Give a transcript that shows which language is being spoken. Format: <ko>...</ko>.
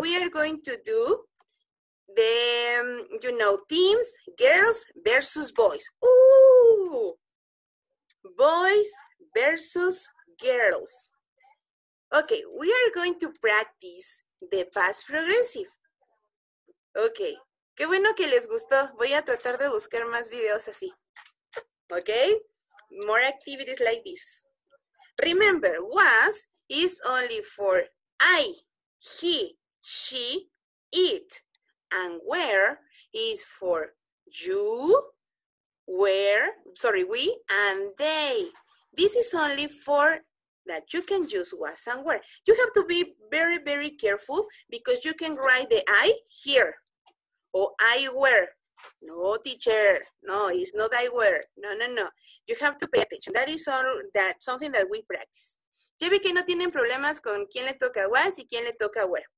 <en>We are going to do the, you know, teams, girls versus boys. Ooh! Boys versus girls. Okay, we are going to practice the past progressive.</en> <es>Okay, qué bueno que les gustó. Voy a tratar de buscar más videos así.</es> <en>Okay, more activities like this. Remember, was is only for I, he, she, it. And were is for you, were, sorry, we, and they. This is only for that you can use was and were. You have to be very, very careful because you can write the I here. Or I were. No, teacher. No, it's not I were. No, no, no. You have to pay attention. That is all that something that we practice.</en> <es>Ya vi que no tienen problemas con quién le toca was y quién le toca were.</es>